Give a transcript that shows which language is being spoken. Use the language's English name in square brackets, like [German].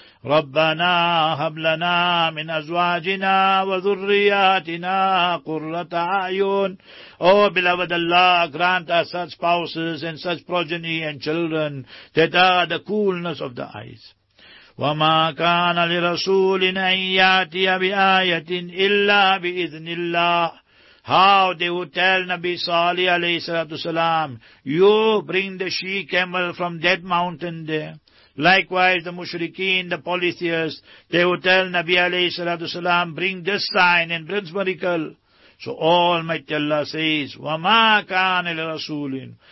[Arabic] ربنا هب لنا من ازواجنا وذرياتنا قرة اعين. [English] Oh beloved Allah, grant us such spouses and such progeny and children that are the coolness of the eyes. [Arabic] وما كان لرسول ان ياتي بآية الا بإذن الله. [English] How they would tell Nabi Salih alayhi salatu salam, you bring the she camel from that mountain there. Likewise, the mushrikeen, the polytheists, they would tell Nabi alayhi salatu salam, bring this sign and bring this miracle. So Almighty Allah says, [Arabic] wa ma kana li rasulin.